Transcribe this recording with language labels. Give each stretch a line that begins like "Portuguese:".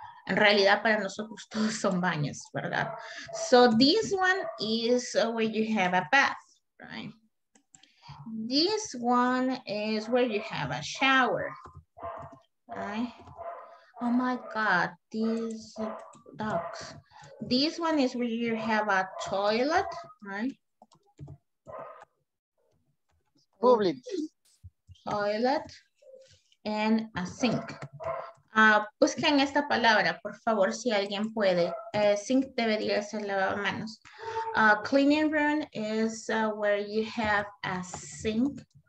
Spanish: En realidad para nosotros todos son baños, ¿verdad?
English: So this one is where you have a bath, right? This one is where you have a shower, right? Oh my God, these ducks. This one is where you have a toilet, right? Public. Toilet and a sink.
Spanish: Busquen esta palabra, por favor, si alguien puede. Sink debería ser lavamanos.
English: Cleaning room is where you have a sink.